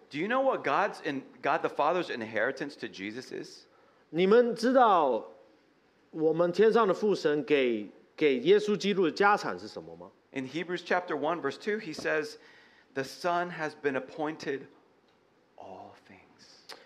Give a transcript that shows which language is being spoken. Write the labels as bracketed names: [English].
[English] Do you know what God the Father's inheritance to Jesus is? [Chinese] 你们知道我们天上的父神给耶稣基督的家产是什么吗？ [English] In Hebrews chapter 1 verse 2, he says, the Son has been appointed all things.